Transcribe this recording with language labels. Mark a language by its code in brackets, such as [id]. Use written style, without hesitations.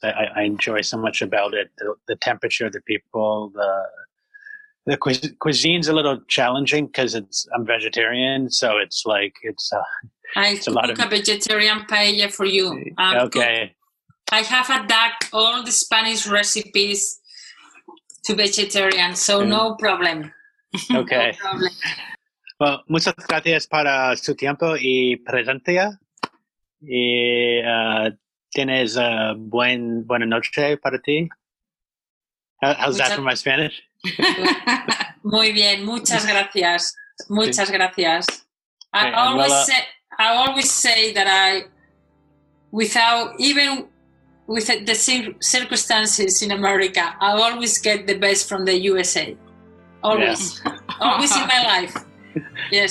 [en] I enjoy so much about it. The temperature, the people, the cuisine's a little challenging because I'm vegetarian. So it's like, a vegetarian paella for you. Okay. I have adapted all the Spanish recipes to vegetarian. So no problem. Okay. No problem. [es] Well, muchas gracias para su tiempo y presencia. Y tienes buena noche para ti. [en] How's that for my Spanish? [es] Muy bien, muchas gracias. Muchas gracias. [en] I always say that without the circumstances in America, I always get the best from the USA. Always. Yeah. Always in my life. Yes.